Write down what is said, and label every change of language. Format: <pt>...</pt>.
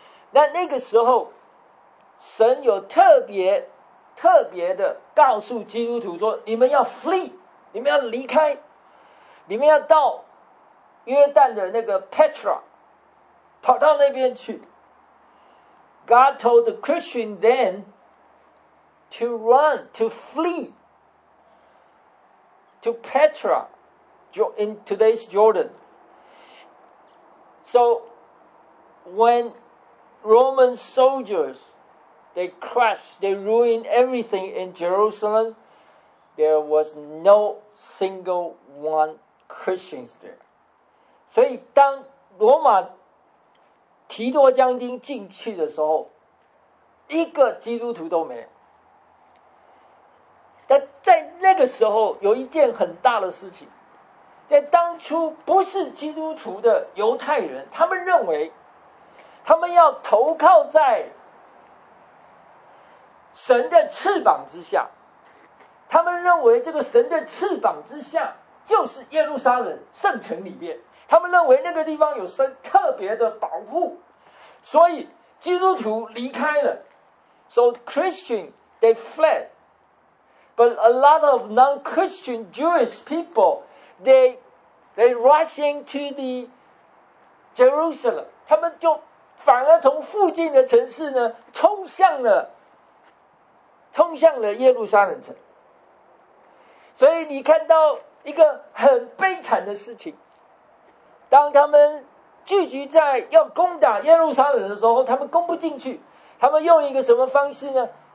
<zh>那那个时候，神有特别特别的告诉基督徒说：“你们要 flee， 你们要离开，你们要到约旦的那个 Petra， 跑到那边去。”</zh> <en>God told the Christian then to run, to flee to Petra, in today's Jordan. So when Roman soldiers, they crushed, they ruined everything in Jerusalem, there was no single one Christians there.</en> <zh>所以当罗马提多将军进去的时候，一个基督徒都没有。但在那个时候有一件很大的事情，在当初不是基督徒的犹太人，他们认为他们要投靠在神的翅膀之下，他们认为这个神的翅膀之下就是耶路撒冷圣城里面，他们认为那个地方有神特别的保护，所以基督徒离开了。</zh> <en>So Christian, they fled. But a lot of non-Christian Jewish people, they rush into the Jerusalem.</en> <zh>他们就反而从附近的城市呢，冲向了耶路撒冷城。所以你看到一个很悲惨的事情，当他们聚集在要攻打耶路撒冷的时候，他们攻不进去，他们用一个什么方式呢？</zh>